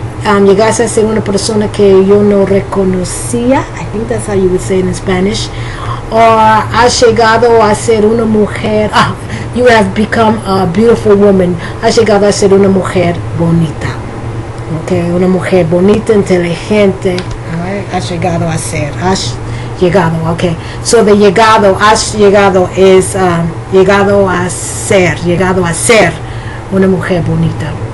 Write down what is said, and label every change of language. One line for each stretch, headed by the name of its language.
English: You guys, I say
Spanish: una persona que yo no reconocía.
English: I think that's how you would say it in Spanish.
Spanish: Or, ha llegado a ser una mujer.
English: You have become a beautiful woman.
Spanish: Ha llegado a ser una mujer bonita. Okay, una mujer bonita, inteligente. Ha llegado a ser. Ha llegado, okay. So the llegado, has llegado is llegado a ser una mujer bonita.